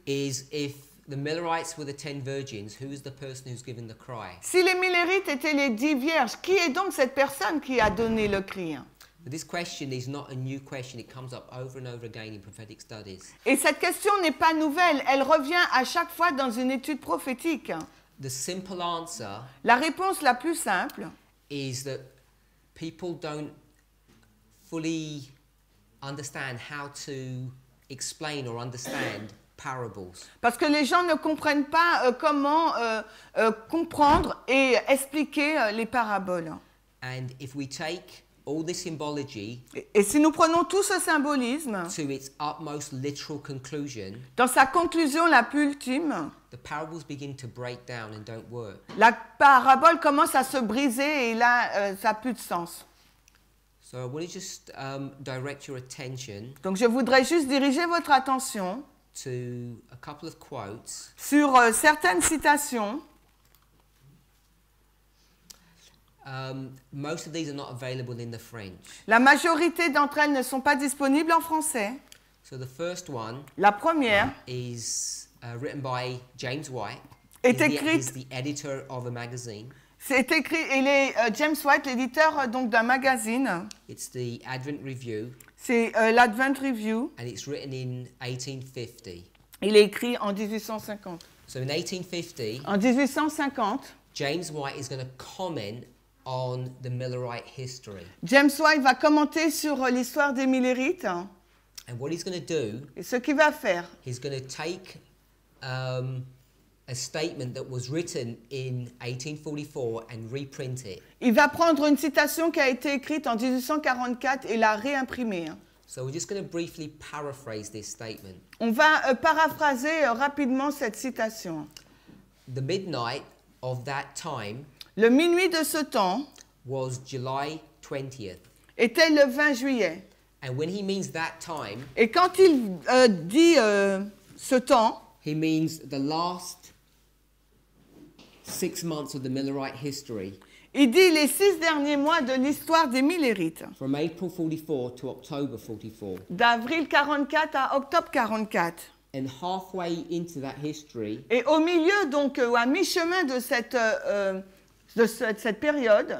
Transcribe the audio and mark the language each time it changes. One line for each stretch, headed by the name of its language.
English: is if the Millerites were the 10 virgins, who is the person who's given the cry?
French: Si les Millerites étaient les 10 vierges, qui est donc cette personne qui a donné le cri?
English: But this question is not a new question. It comes up over and over again in prophetic studies.
French: Et cette question n'est pas nouvelle. Elle revient à chaque fois dans une étude prophétique.
English: The simple answer.
French: La réponse la plus simple.
English: Is that people don't fully understand how to explain or understand parables.
French: Parce que les gens ne comprennent pas comment comprendre et expliquer les paraboles.
English: And if we take all this symbology,
French: et si nous prenons tout ce symbolisme
English: to its utmost literal conclusion,
French: dans sa conclusion la plus ultime,
English: the parables begin to break down and don't work.
French: La parabole commence à se briser et là, ça n'a plus de sens.
English: So I want to just, direct your attention.
French: Donc je voudrais juste diriger votre attention
English: to a couple of quotes
French: sur certaines citations.
English: Most of these are not available in the French.
French: La majorité d'entre elles ne sont pas disponibles en français.
English: So the first one,
French: la première,
English: is written by James White.
French: Est écrite. He's the editor of a magazine. C'est écrit. Il est James White, l'éditeur donc d'un magazine.
English: It's the Advent Review.
French: C'est l'Advent Review.
English: And it's written in 1850.
French: Il est écrit en 1850.
English: So in 1850.
French: En 1850.
English: James White is going to comment on the Millerite history.
French: James White va commenter sur l'histoire des Millerites.
English: And what he's going to do?
French: Et ce qu'il va faire?
English: He's going to take a statement that was written in 1844 and reprint it.
French: Il va prendre une citation qui a été écrite en 1844 et la réimprimer.
English: So we're just going to briefly paraphrase this statement.
French: On va paraphraser rapidement cette citation.
English: The midnight of that time.
French: Le minuit de ce temps
English: was July 20th.
French: Était le 20 juillet.
English: And when he means that time,
French: et quand il dit ce temps,
English: he means the last 6 months of the Millerite history.
French: Il dit les 6 derniers mois de l'histoire des Millerites.
English: From April 44 to October 44.
French: D'avril 44 à octobre 44.
English: And halfway into that history,
French: et au milieu donc, ou à mi-chemin de cette cette période,